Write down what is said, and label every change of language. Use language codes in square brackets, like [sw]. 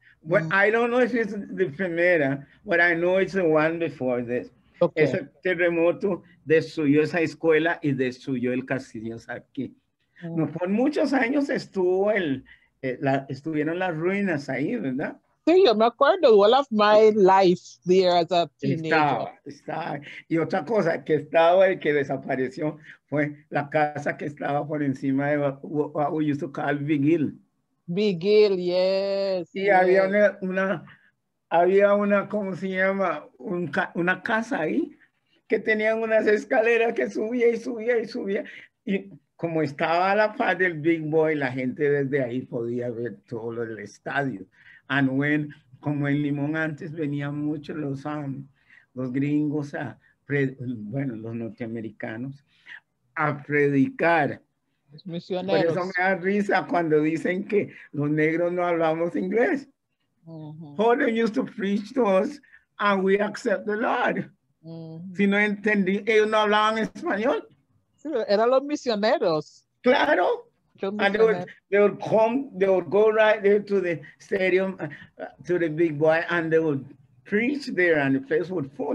[en] Well, I don't know if it's the primera, but I know it's the one before this. Okay. [es] Ese terremoto destruyó esa escuela y destruyó el castillo aquí. No, por muchos años estuvo estuvieron las ruinas ahí, ¿verdad? Sí, yo me acuerdo. [en] All of my life there as a teenager. [es] Estaba. Y otra cosa que estaba y que desapareció fue la casa que estaba por encima de [en] what we used to call Big Hill. Big Hill, yes. [es] Y había una... Había una, ¿cómo se llama? Una casa ahí que tenían unas escaleras que subía y subía y subía. Y como estaba a la par del Big Boy, la gente desde ahí podía ver todo lo del estadio. [en] And when, [es] como en Limón antes venían mucho los gringos, los norteamericanos, a predicar. Los misioneros. Por eso me da risa cuando dicen que los negros no hablamos inglés. Uh-huh. [en] Holden used to preach to us and we accept the Lord. [es] Uh-huh. Si no entendí, ellos no hablaban español. Sí, eran los misioneros. Claro. Misioneros. [en] And they would go right there to the stadium, to the Big Boy, and they would preach there and the place would fall.